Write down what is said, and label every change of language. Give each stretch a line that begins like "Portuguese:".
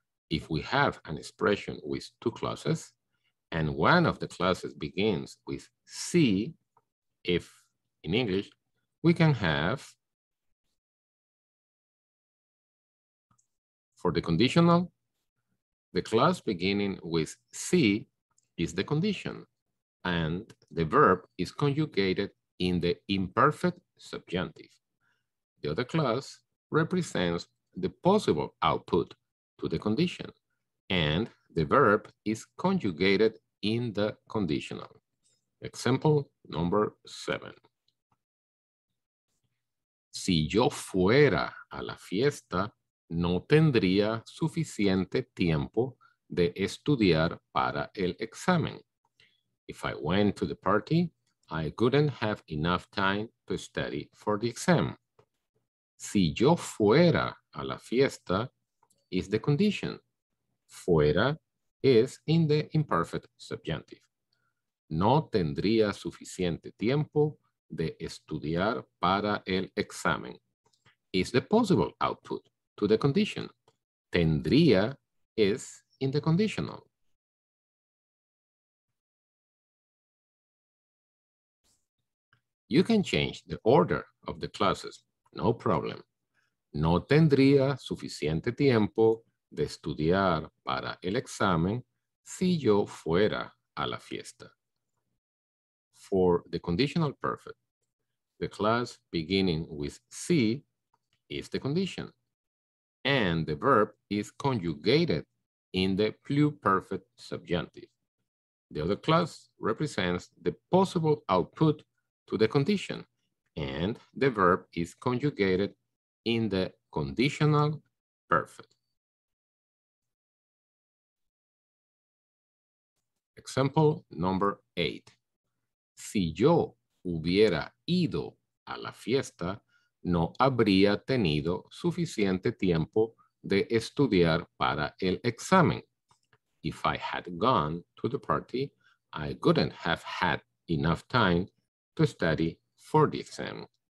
English: If we have an expression with two clauses, and one of the clauses begins with C, if in English, we can have, for the conditional, the clause beginning with C is the condition, and the verb is conjugated in the imperfect subjunctive. The other clause represents the possible output to the condition, and the verb is conjugated in the conditional. Example number seven.
Spanish: Si yo fuera a la fiesta, no tendría suficiente tiempo de estudiar para el examen.
English: If I went to the party, I couldn't have enough time to study for the exam.
Spanish: Si yo fuera a la fiesta
English: is the condition. Fuera is in the imperfect subjunctive.
Spanish: No tendría suficiente tiempo de estudiar para el examen
English: is the possible output to the condition. Tendría is in the conditional. You can change the order of the clauses, no problem.
Spanish: No tendría suficiente tiempo de estudiar para el examen si yo fuera a la fiesta.
English: For the conditional perfect, the clause beginning with C is the condition, and the verb is conjugated in the pluperfect subjunctive. The other clause represents the possible output to the condition, and the verb is conjugated in the conditional perfect. Example number 8.
Spanish: Si yo hubiera ido a la fiesta, no habría tenido suficiente tiempo de estudiar para el examen.
English: If I had gone to the party, I couldn't have had enough time to study for the exam.